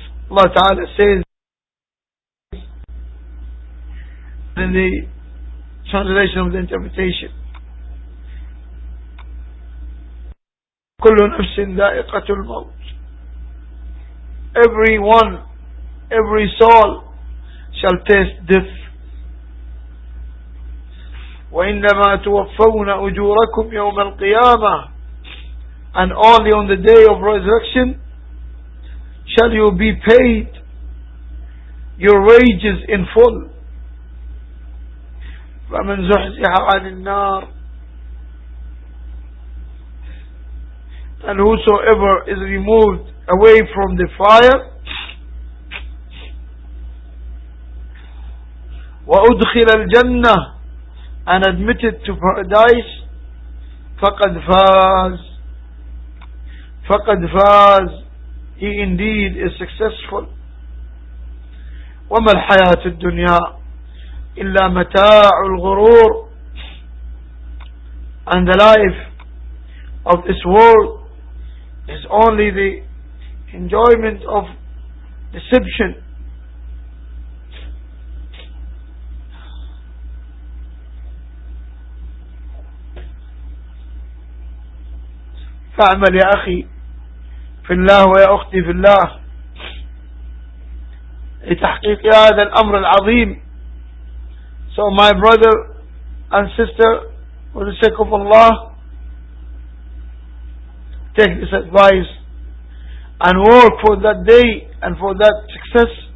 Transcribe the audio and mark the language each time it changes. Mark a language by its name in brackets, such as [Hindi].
[Arabic] الله تعالى سيد [English] in the translation of the interpretation. [Arabic] كل نفس ذائقة الموت. [English] Everyone, every soul shall taste death. [Arabic] وإنما توفون أجوركم يوم القيامة. [English] And only on the day of resurrection shall you be paid your wages in full. [Arabic] فمن زحزح عن النار. [English] And whosoever is removed away from the fire. [Arabic] وأدخل الجنة. [English] And admitted to paradise. [Arabic] فقد فاز. [English] He indeed is successful. [Arabic] وما الحياة الدنيا إلا متاع الغرور. [English] And the life of this world is only the enjoyment of deception. [Arabic] فاعمل يا أخي في الله ويا أختي في الله لتحقيق هذا الأمر العظيم. [English] So my brother and sister, for the sake of Allah, take this advice and work for that day and for that success.